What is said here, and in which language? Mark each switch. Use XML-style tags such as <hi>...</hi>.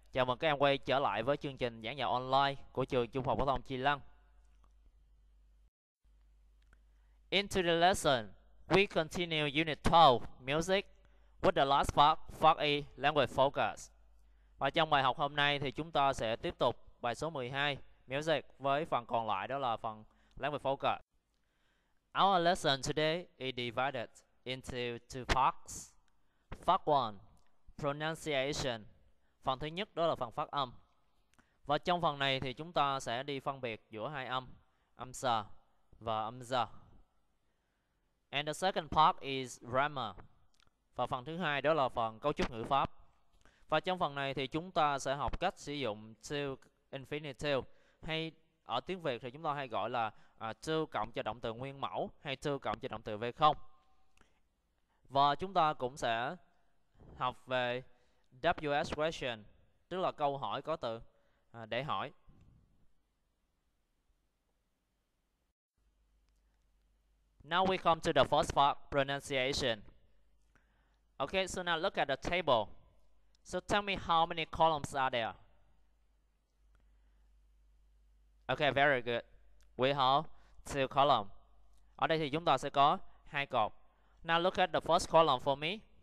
<vi>Chào mừng các em quay trở lại với chương trình giảng dạy online của trường Trung học phổ thông Chi Lăng.</vi> <en>In today's lesson, we continue Unit 12, Music, with the last part, 4E, Language Focus.</en> <vi>Và trong bài học hôm nay thì chúng ta sẽ tiếp tục bài số 12, Music, với phần còn lại đó là phần Language Focus.</vi> <en>Our lesson today is divided into two parts. Part 1, pronunciation.</en> <vi>Phần thứ nhất đó là phần phát âm. Và trong phần này thì chúng ta sẽ đi phân biệt giữa hai âm, âm s và âm z.</vi> <en>And the second part is grammar.</en> <vi>Và phần thứ hai đó là phần cấu trúc ngữ pháp. Và trong phần này thì chúng ta sẽ học cách sử dụng to infinitive hay ở tiếng Việt thì chúng ta hay gọi là to cộng cho động từ nguyên mẫu hay to cộng cho động từ V0. Và chúng ta cũng sẽ học về WS question, tức là câu hỏi có từ để hỏi.</vi> <en>Now we come to the first part, pronunciation. Okay, so now look at the table. So tell me how many columns are there? Okay, very good. We have two columns.</en> <vi>Ở đây thì chúng ta sẽ có hai cột.</vi> <en>Now look at the first column for me.</en>